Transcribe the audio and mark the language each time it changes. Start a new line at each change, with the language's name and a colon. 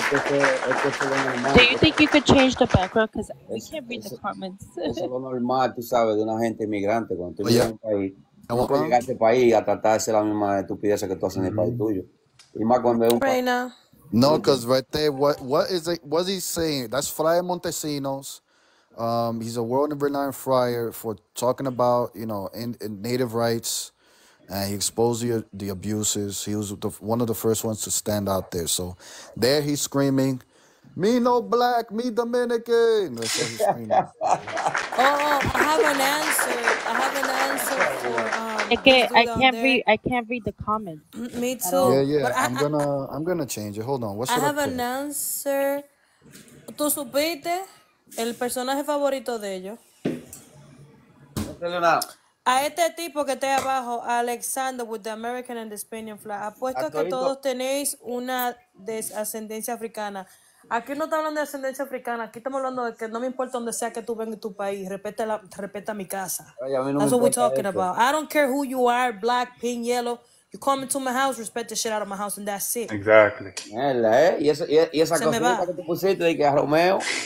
English: Do you think you could change the background? Because we can't read the comments.
Spanish: Eso es lo normal, tú sabes, de una gente inmigrante cuando tú llegas a un país. No puedes llegar a ese país a tratar de hacer la misma estupidez que tú haces en el país tuyo. Y más cuando es un país.
English: No, because right there, what is he saying? That's Friar Montesinos. He's a world-renowned friar for talking about, you know, in native rights, and he exposed the abuses. He was one of the first ones to stand out there. So there he's screaming, me no black, me Dominican. That's what he's screaming. Oh, I have an answer. I can't read the comments. Me too. Yeah, yeah. I'm gonna change it. Hold on. What's I have an answer.
Spanish: ¿Tú supiste el personaje favorito de ellos? A este tipo que está abajo,
English: Alexander with the American and the Spanish flag.
Spanish: Apuesto que todos tenéis una ascendencia africana. Aquí no está hablando de ascendencia africana, aquí estamos hablando de que no me importa donde sea que tú vengas de tu país, respeta mi casa. Ay, a mí no
English: That's
Spanish: me
English: what we're talking
Spanish: esto.
English: About. I don't care who you are, black, pink, yellow, you come into my house, respect the shit out of my house, and that's it. Exactly.
Spanish: Mierda, ¿eh? Y esa cosa que tú pusiste de que a Romeo.